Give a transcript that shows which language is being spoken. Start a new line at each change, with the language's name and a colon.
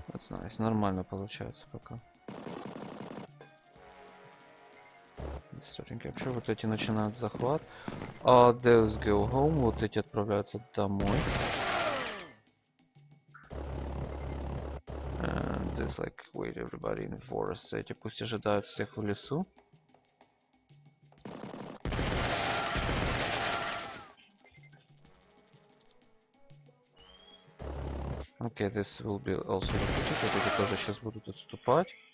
English: Nice.
Russian: Нормально получается пока.
English: Starting capture.
Russian: Вот эти начинают захват.
English: Those go home.
Russian: Вот эти отправляются домой.
English: And this like wait everybody in the forest.
Russian: Эти пусть ожидают всех в лесу.
English: Okay, this will be also repeated.
Russian: Вот эти тоже сейчас будут отступать.